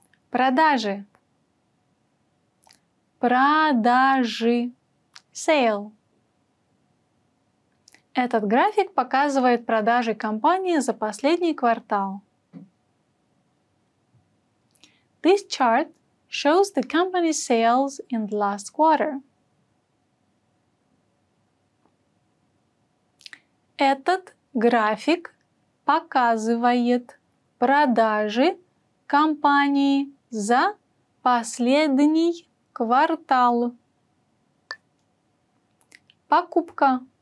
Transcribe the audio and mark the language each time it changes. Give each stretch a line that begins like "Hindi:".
Russian: Продажи. Продажи.
English: Sale.
Russian: Этот график показывает продажи компании за последний квартал.
English: This chart shows the company's sales in the last quarter.
Russian: Этот график показывает продажи компании за последний квартал. Покупка.